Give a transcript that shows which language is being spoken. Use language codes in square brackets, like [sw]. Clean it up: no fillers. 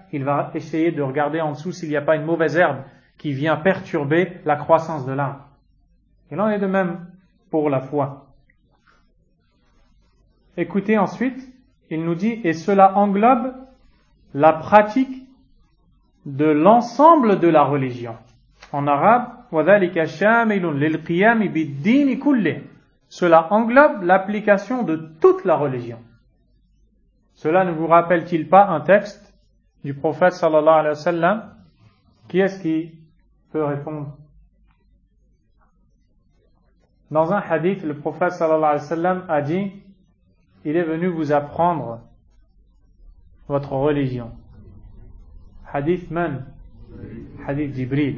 [fr] Il va essayer de regarder en dessous s'il n'y a pas une mauvaise herbe qui vient perturber la croissance de l'arbre. Il en est de même pour la foi. Écoutez ensuite, il nous dit, et cela englobe la pratique de l'ensemble de la religion. En arabe, [ar] وَذَلِكَ شَامِلٌ لِلْقِيَامِ بِالدِّينِ كُلِّهِ. [fr] Cela englobe l'application de toute la religion. Cela ne vous rappelle-t-il pas un texte du prophète sallallahu alayhi wa sallam? Qui est-ce qui peut répondre? Dans un hadith, le prophète sallallahu alayhi wa sallam a dit, il est venu vous apprendre votre religion. [ar] Hadith man? Hadith Jibril.